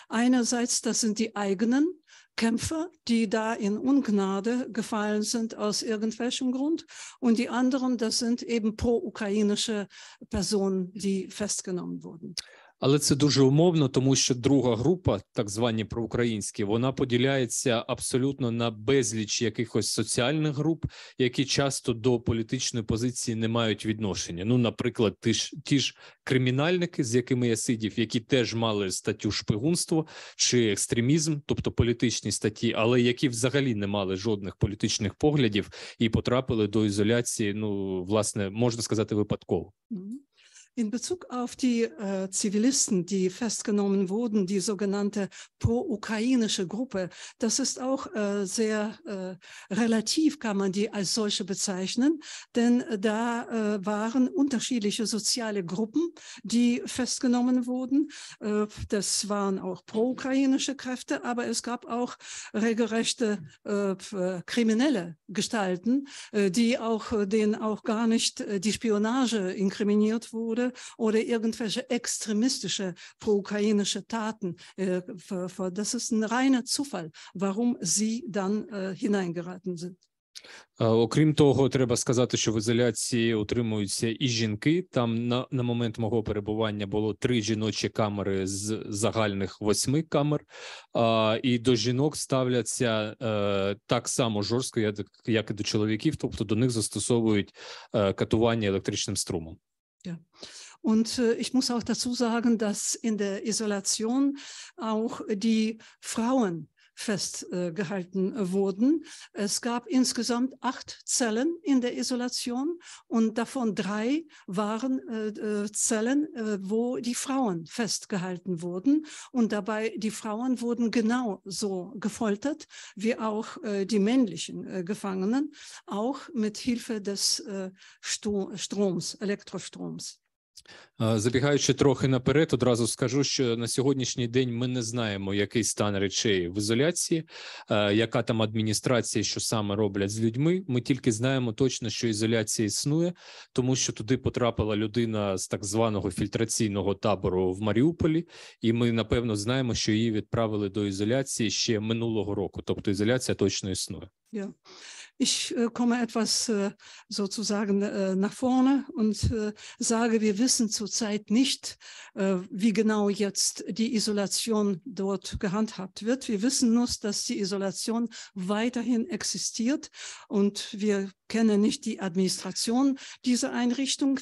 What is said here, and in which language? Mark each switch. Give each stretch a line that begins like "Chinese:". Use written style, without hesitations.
German: Einerseits, das sind die eigenen Kämpfer, die da in Ungnade gefallen sind aus irgendwelchem Grund. Und die anderen, das sind eben pro-ukrainische Personen, die festgenommen wurden.
Ukrainian: Але це дуже умовно, тому що друга група, так звані проукраїнські, вона поділяється абсолютно на безліч якихось соціальних груп, які часто до політичної позиції не мають відношення. Ну, наприклад, ті ж кримінальники, з якими я сидів, які теж мали статтю шпигунство чи екстремізм, тобто політичні статті, але які взагалі не мали жодних політичних поглядів і потрапили до ізоляції, ну, власне, можна сказати, випадково.
German: In Bezug auf die Zivilisten, die festgenommen wurden, die sogenannte pro-ukrainische Gruppe, das ist auch sehr relativ, kann man die als solche bezeichnen, denn da waren unterschiedliche soziale Gruppen, die festgenommen wurden. Das waren auch pro-ukrainische Kräfte, aber es gab auch regelrechte kriminelle Gestalten, denen auch gar nicht die Spionage inkriminiert wurde, oder irgendwelche extremistische pro-ukrainische Taten. Das ist ein reiner Zufall, warum sie dann hineingeraten sind.
Ukrainian: Окрім того, треба сказати, що в ізоляції утримуються і жінки. Там на момент мого перебування було 3 жіночі камери з загальних 8 камер. І до жінок ставляться так само жорстко, як і до чоловіків. Тобто до них застосовують катування електричним струмом.
German: Und ich muss auch dazu sagen, dass in der Isolation auch die Frauen festgehalten wurden. Es gab insgesamt 8 Zellen in der Isolation und davon 3 waren Zellen, wo die Frauen festgehalten wurden. Und dabei die Frauen wurden genauso gefoltert wie auch die männlichen Gefangenen, auch mit Hilfe des Stroms, Elektrostroms.
Ukrainian: Забігаючи трохи наперед, одразу скажу, що на сьогоднішній день ми не знаємо, який стан речей в ізоляції, яка там адміністрація, що саме роблять з людьми. Ми тільки знаємо точно, що ізоляція існує, тому що туди потрапила людина з так званого фільтраційного табору в Маріуполі, і ми, напевно, знаємо, що її відправили до ізоляції ще минулого року, тобто ізоляція точно існує. Yeah.
German: Ich komme etwas sozusagen nach vorne und sage, wir wissen zurzeit nicht, wie genau jetzt die Isolation dort gehandhabt wird. Wir wissen nur, dass die Isolation weiterhin existiert und wir kennen nicht die Administration dieser Einrichtung.